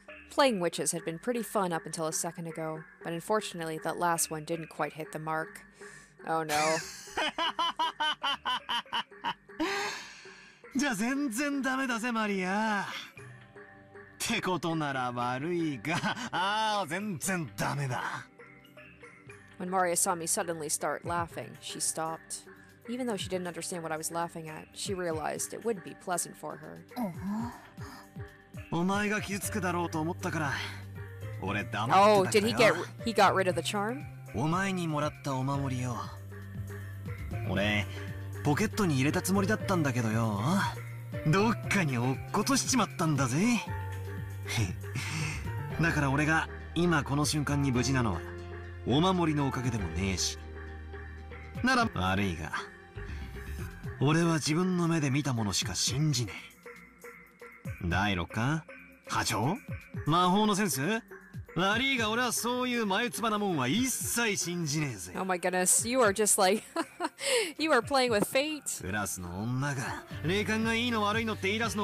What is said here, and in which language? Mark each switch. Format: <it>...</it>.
<en>Playing witches had been pretty fun up until a second ago, but unfortunately that last one didn't quite hit the mark. Oh no.</en> <ja>じゃあ全然ダメだぜ、マリア。ってことなら悪いが、ああ、全然ダメだ。</ja> <en>When Maria saw me suddenly start laughing, she stopped. Even though she didn't understand what I was laughing at, she realized it wouldn't be pleasant for her.</en> <ja>お前が傷つくだろうと思ったから、</ja> <en>Oh, did he get rid of the charm?</en> <ja>お前にもらったお守りを俺ポケットに入れたつもりだったんだけどよ。どっかに落っことしちまったんだぜ。だから俺が今この瞬間に無事なのはお守りのおかげでもねえし。なら悪いが俺は自分の目で見たものしか信じねえ。第六か？波長？魔法のセンス？</ja> <en>Oh my goodness, you are just like, you are playing with fate.</en>